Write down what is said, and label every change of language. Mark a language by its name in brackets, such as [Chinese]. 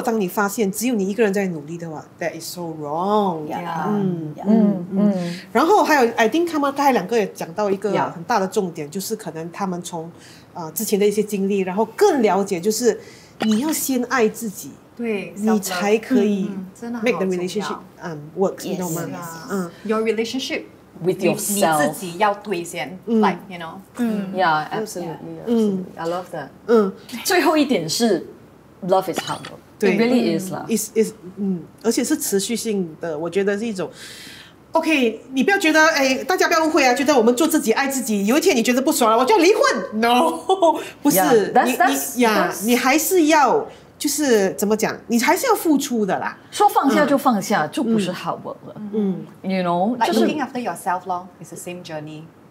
[Chinese] 因为如果当你发现只有你一个人在努力的话, [English] that is so wrong. Yeah. [Chinese] 然后还有, [English] I think [Chinese] 他们两个也讲到一个很大的重点, 就是可能他们从, 之前的一些经历, 然后更了解就是, 你要先爱自己, 对, 你才可以, [English] make the relationship work, you know, man. Your relationship with yourself. [Chinese] 你自己要对先, [English] like, you know. Yeah, absolutely. I love that. [Chinese] 最后一点是, [English] love is hard. [Chinese] 对, [English] it really is. It's, [Chinese] 而且是持续性的, 我觉得是一种, OK, 你不要觉得, 哎, 大家不要误会啊, 觉得我们做自己爱自己, 有一天你觉得不爽了, 我就要离婚, No, 不是, [English] yeah, that's [Chinese] 你还是要, 就是怎么讲, 你还是要付出的啦, 说放下就放下, 就不是好work了, [English] You know, like [Chinese] 就是, [English] looking after yourself 咯, it's the same journey.